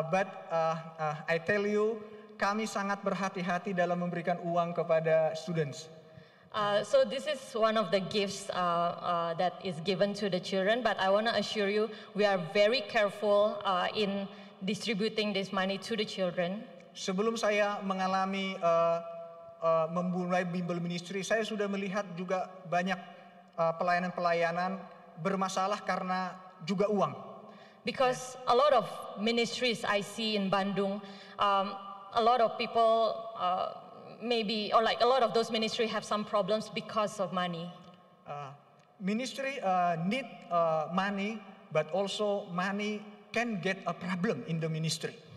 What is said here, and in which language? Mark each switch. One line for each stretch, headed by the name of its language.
English: But I tell you,
Indonesian: kami sangat berhati-hati dalam memberikan uang kepada students.
English: So this is one of the gifts that is given to the children. But I want to assure you, we are very careful in distributing this money to the children.
Indonesian: Sebelum saya mengalami memulai bimbel ministry, saya sudah melihat juga banyak pelayanan-pelayanan bermasalah karena juga uang.
English: Because a lot of ministries I see in Bandung, a lot of people a lot of those ministry have some problems because of money. Ministry need money, but also money can get a problem in the ministry.